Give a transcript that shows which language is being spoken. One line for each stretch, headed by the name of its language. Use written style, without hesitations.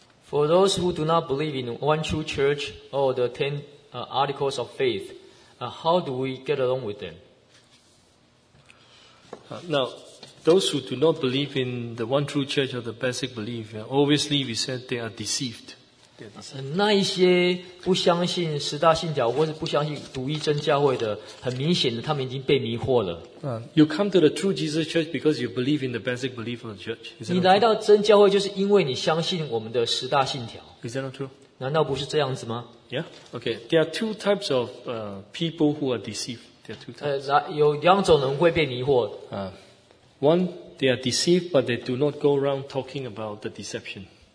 English: For those who do not believe in one true church or the ten articles of faith, how do we get along with them? Now, those who do not believe in the one true church or the basic belief, obviously we said they are deceived.
Chinese: 那一些不相信十大信教或是不相信独一真教会的，很明显的，他们已经被迷惑了。
English: You come to the true Jesus Church because you believe in the basic belief of the church.
Chinese: 你来到真教会就是因为你相信我们的十大信条。
English: Is that not true?
Chinese: 难道不是这样子吗？
English: Yeah. Okay. There are two types of people who are deceived. There are two types.
Chinese: 有两种人会被迷惑。
English: One, they are deceived, but they do not go around talking about the deception.